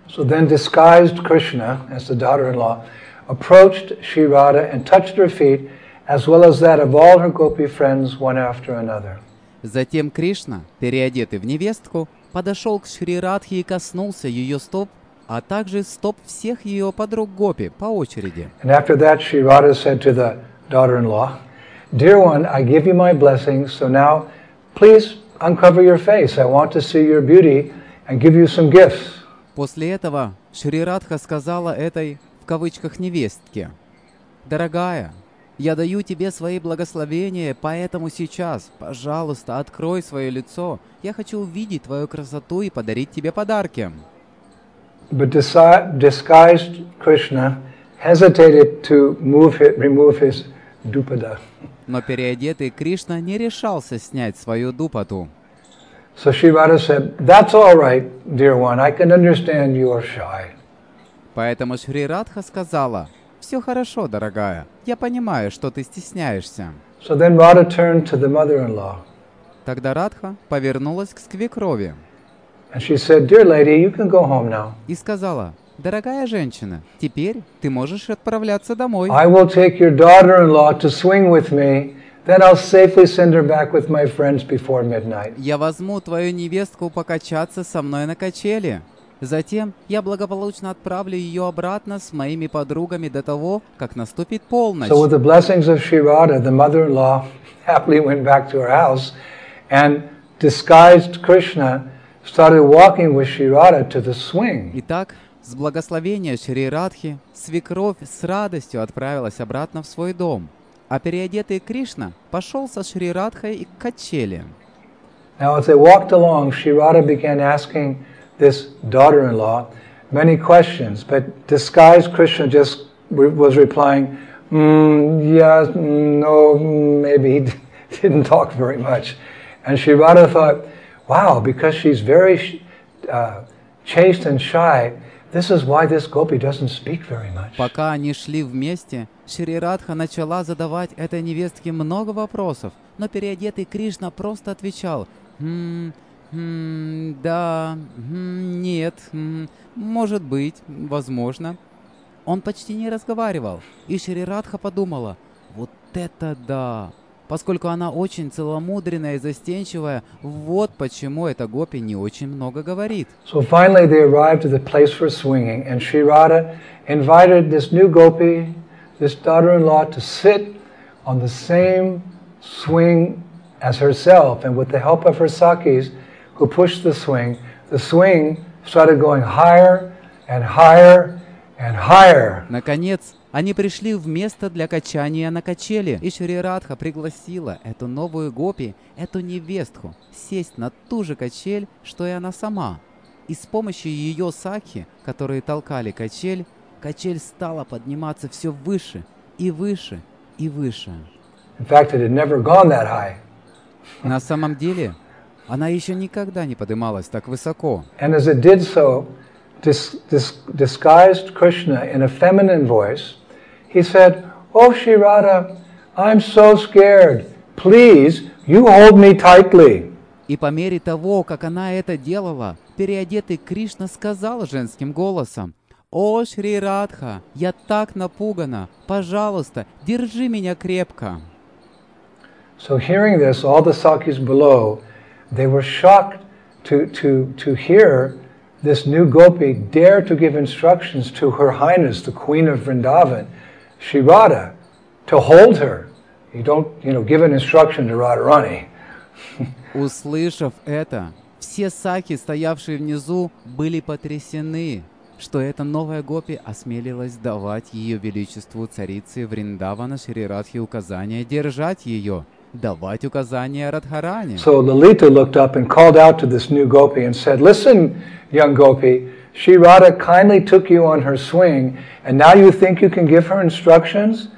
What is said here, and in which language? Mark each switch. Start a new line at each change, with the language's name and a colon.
English: So then disguised Krishna as the daughter-in-law approached Sri Radha and touched her feet, as well as that of all her gopi friends, one after another.
Russian: Затем Кришна, переодетый в невестку, подошел к Шри Радхе и коснулся ее стоп, а также стоп всех ее подруг гопи по очереди.
English: And after that, Sri Radha said to the daughter-in-law, Dear one, I give you my blessings, so now please uncover your face. I want to see your beauty and give you some gifts.
Russian: После этого Шри Радха сказала этой, в кавычках, невестке, Дорогая, я даю тебе свои благословения, поэтому сейчас, пожалуйста, открой свое лицо. Я хочу увидеть твою красоту и подарить тебе подарки.
English: But disguised Krishna hesitated to remove his dupada.
Russian: Но переодетый Кришна не решался снять свою дупату.
English: So Sri Radha said, "That's all right, dear one. I can understand you are shy."
Russian: Поэтому Шри Радха сказала, «Все хорошо, дорогая. Я понимаю, что ты стесняешься».
English: So then Radha turned to the mother-in-law.
Russian: Тогда Радха повернулась к свекрови.
English: And she said, Dear lady, you can go home now.
Russian: И сказала, «Дорогая женщина, теперь ты можешь отправляться домой».
English: I will take your daughter-in-law to swing with me, then I'll safely send her back with my friends before midnight.
Russian: Я возьму твою невестку покачаться со мной на качели, Затем я благополучно отправлю ее обратно с моими подругами до того, как наступит полночь.
English: So with the blessings of Shivada, the mother-in-law happily went back to her house, and disguised Krishna started walking with Shivada to the swing.
Russian: Итак, с благословения Шри Радхи, свекровь с радостью отправилась обратно в свой дом, а переодетый Кришна пошел со Шри Радхой и к качели.
English: Now as they walked along, Shivada began asking this daughter-in-law many questions, but disguised Krishna just was replying, maybe he didn't talk very much. And Shivada thought, wow, because she's very chaste and shy, this is why this gopi doesn't speak very much.
Russian: Пока они шли вместе, Шри Радха начала задавать этой невестке много вопросов, но переодетый Кришна просто отвечал, может быть, возможно. Он почти не разговаривал, и Шри Радха подумала, вот это да! Поскольку она очень целомудренная и застенчивая, вот почему эта гопи не очень много говорит.
English: So finally they arrived at the place for swinging, and Shri Radha invited this new gopi, this daughter-in-law, to sit on the same swing as herself, and with the help of her sakis, who pushed the swing started going higher and higher and higher.
Russian: Наконец, они пришли в место для качания на качели, и Шри Радха пригласила эту новую гопи, эту невестку, сесть на ту же качель, что и она сама. И с помощью ее сакхи, которые толкали качель, качель стала подниматься все выше и выше и выше.
English: In fact, it had never gone that high.
Russian: На самом деле, она еще никогда не поднималась так высоко.
English: And as it did so, disguised Krishna in a feminine voice, he said, "Oh, Shri Radha, I'm so scared. Please, you hold me tightly."
Russian: И по мере того, как она это делала, переодетый Кришна сказал женским голосом, "О, Шри Радха, я так напугана. Пожалуйста, держи меня крепко."
English: So hearing this, all the sakis below, they were shocked to hear this new gopi dare to give instructions to Her Highness, the Queen of Vrindavan, Shri Radha, to hold her. You don't, you know, give an instruction to Radharani.
Russian: Услышав это, все сакхи, стоявшие внизу, были потрясены, что эта новая гопи осмелилась давать Ее Величеству Царице Вриндавана Шри Радхе указание держать ее, давать указания Радхарани.
English: So Lalita looked up and called out to this new gopi and said, "Listen, young gopi, Shri Radha kindly took you on her swing, and now you think you can give her instructions?